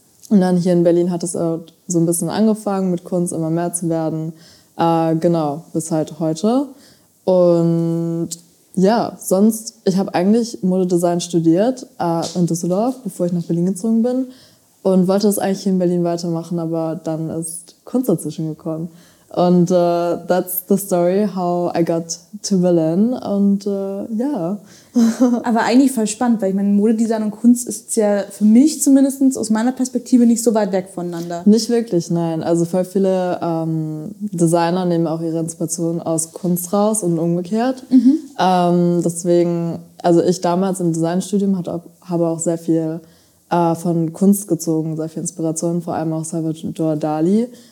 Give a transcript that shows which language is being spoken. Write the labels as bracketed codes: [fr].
[de] Und dann hier in Berlin hat es so ein bisschen angefangen, mit Kunst immer mehr zu werden. Genau, bis halt heute. Und ja, sonst, ich habe eigentlich Modedesign studiert in Düsseldorf, bevor ich nach Berlin gezogen bin. Und wollte es eigentlich hier in Berlin weitermachen, aber dann ist Kunst dazwischen gekommen. Und [en] that's the story, how I got to Berlin. [de] Und ja. Yeah. Aber eigentlich voll spannend, weil ich meine, Modedesign und Kunst ist ja für mich zumindest aus meiner Perspektive nicht so weit weg voneinander. Nicht wirklich, nein. Also voll viele Designer nehmen auch ihre Inspiration aus Kunst raus und umgekehrt. Mhm. Deswegen, also ich damals im Designstudium habe auch sehr viel von Kunst gezogen, sehr viel Inspiration, vor allem auch Salvador Dali.